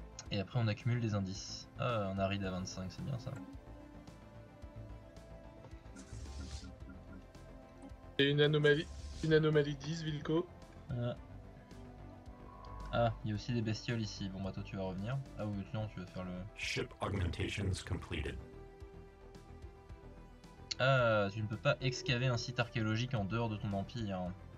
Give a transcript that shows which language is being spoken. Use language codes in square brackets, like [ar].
[fr] Et après on accumule des indices. Ah, on arrive à 25, c'est bien ça. Et une anomalie 10, Vilko. Ah, il y a aussi des bestioles ici. Bon bah toi tu vas revenir. Ah oui, non, tu vas faire le... [en] Ship augmentations completed. [fr] Ah, tu ne peux pas excaver un site archéologique en dehors de ton empire.